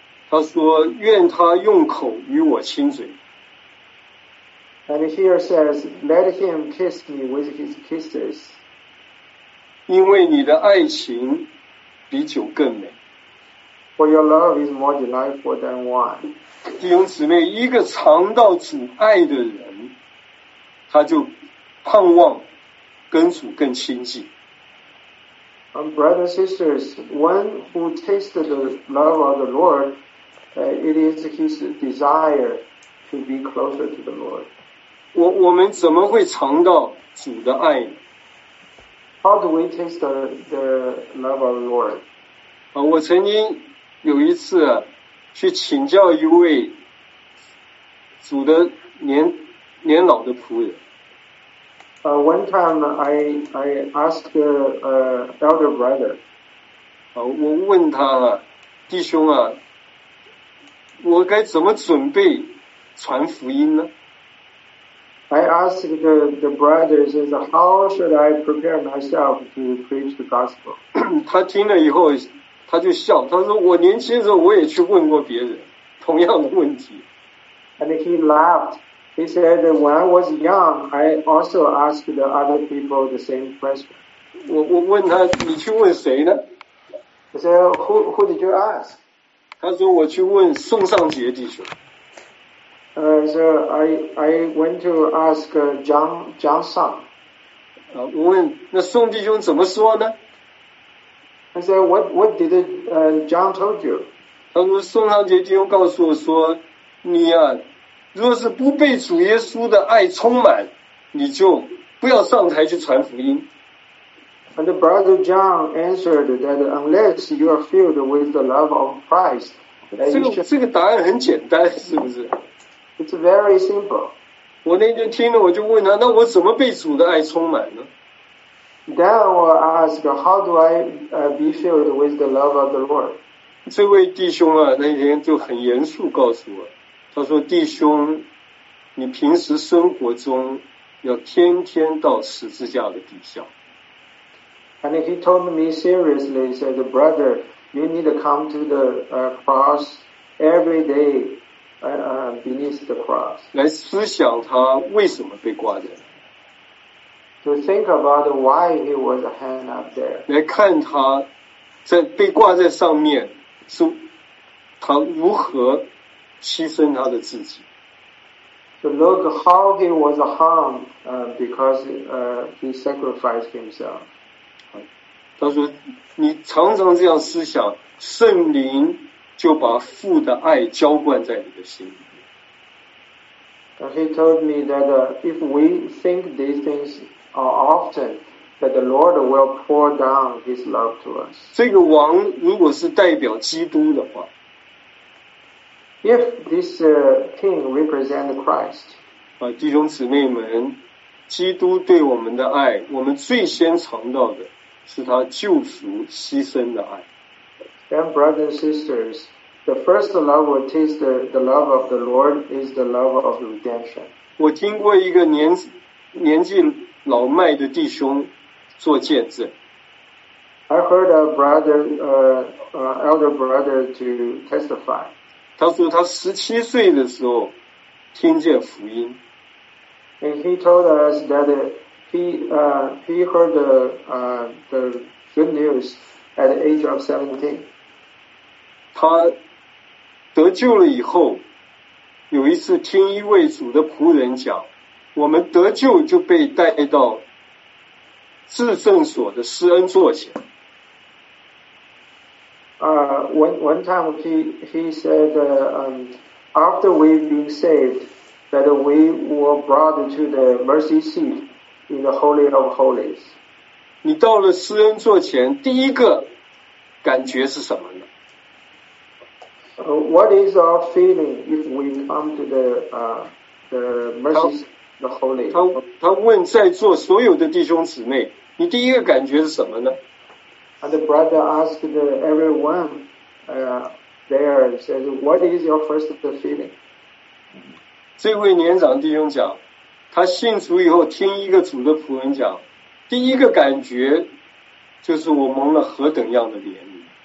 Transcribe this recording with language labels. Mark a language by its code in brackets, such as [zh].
[zh] 他说愿他用口与我亲嘴。 [en] And here says, let him kiss me with his kisses. [zh] 因为你的爱情比酒更美。 [en] For your love is more delightful than wine. [zh] 弟兄姊妹，一个尝到主爱的人，他就盼望跟主更亲近。 [en] Brothers and sisters, one who tasted the love of the Lord, it is his desire to be closer to the Lord. [zh] 我们怎么会尝到主的爱呢？ [en] How do we taste the love of the Lord? [zh] 我曾经有一次去请教一位主的年老的仆人。 [en] One time I asked the elder brother. [zh] 我问他啊，弟兄啊，我该怎么准备传福音呢？ [en] I asked the brother, says, how should I prepare myself to preach the gospel? [zh] 他听了以后他就笑，他说我年轻的时候我也去问过别人同样的问题。 [en] And he laughed. He said, when I was young, I also asked the other people the same question. [zh] 我问他，你去问谁呢？ [en] He said, who did you ask? [zh] 他说我去问宋尚杰弟兄。 [en] So I went to ask John Sun. [zh] 我问那宋弟兄怎么说呢？ [en] I said, what did John told you? [zh] 他说宋尚杰弟兄告诉我说，你啊，如果是不被主耶稣的爱充满，你就不要上台去传福音。 [en] And Brother John answered that unless you are filled with the love of Christ, should... [zh] 这个答案很简单，是不是？ [en] It's very simple. [zh] 我那天听了，我就问他，那我怎么被主的爱充满呢？ [en] Then I will ask, how do I be filled with the love of the Lord? [zh] 这位弟兄啊，那天就很严肃告诉我，他说：“弟兄，你平时生活中要天天到十字架的底下。” [en] And he told me seriously, he said, "Brother, you need to come to the cross every day, beneath the cross." [zh] 来思想他为什么被挂在。 [en] To think about why he was hanging up there. [zh] 来看他在被挂在上面是他如何牺牲他的自己。 [en] To look how he was hung because he sacrificed himself. [zh] 他说你常常这样思想，圣灵就把父的爱浇灌在你的心里。 [en] He told me that if we think these things are often, that the Lord will pour down His love to us. [zh] 这个王如果是代表基督的话 [en] ，If this king represents Christ, [zh] 弟兄姊妹们，基督对我们的爱，我们最先尝到的是他救赎牺牲的爱。 [en] Then, brothers and sisters, the first love we taste the love of the Lord is the love of redemption. [zh] 我听过一个年纪老迈的弟兄做见证。 [en] I heard a brother, elder brother to testify. [zh] 他说他17岁的时候听见福音。 [en] And he told us that he heard the good news at the age of 17. [zh] 他得救了以后，有一次听一位主的仆人讲，我们得救就被带到至圣所的施恩座前。 [en] One time he said, after we've been saved, that we were brought to the mercy seat in the Holy of Holies. [zh] 你到了施恩座前，第一个感觉是什么呢？ [en] What is our feeling if we come to the mercy seat? [zh] 他问在座所有的弟兄姊妹，你第一个感觉是什么呢？ [en] And the brother asked everyone there, said, what is your first feeling? [zh] 这位年长弟兄讲，他信主以后听一个主的仆人讲，第一个感觉就是我蒙了何等样的怜悯。